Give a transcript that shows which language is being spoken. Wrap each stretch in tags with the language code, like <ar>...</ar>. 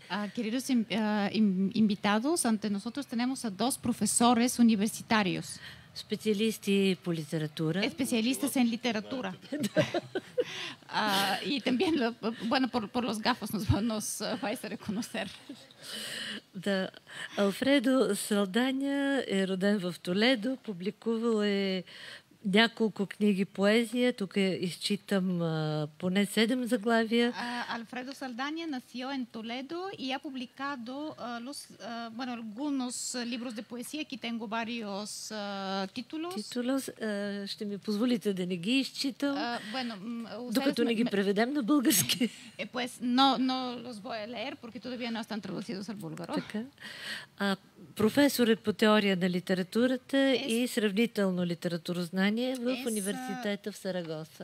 <es>Queridos invitados, ante nosotros tenemos a dos profesores universitarios.</es> <bg>Специалисти по литература.</bg> <es>Especialistas en literatura. Y también, bueno, por los gafos nos vais a reconocer.</es> <bg>Да. Алфредо Салдания е роден в Толедо, публикувал е няколко книги поезия, тук изчитам поне 7 заглавия.</bg> <es>Алфредо Салдания nació en Toledo y ha publicado algunos libros de poesía, aquí tengo varios títulos.</es> <bg>Títulos, ще ми позволите да не ги изчитам. Докато не ги преведем на български.</bg> <es>Pues no los voy a leer porque todavía no están traducidos al búlgaro.</es> <bg>Така. Професор е по теория на литературата и сравнително литературознание в университета в Сарагоса.</bg>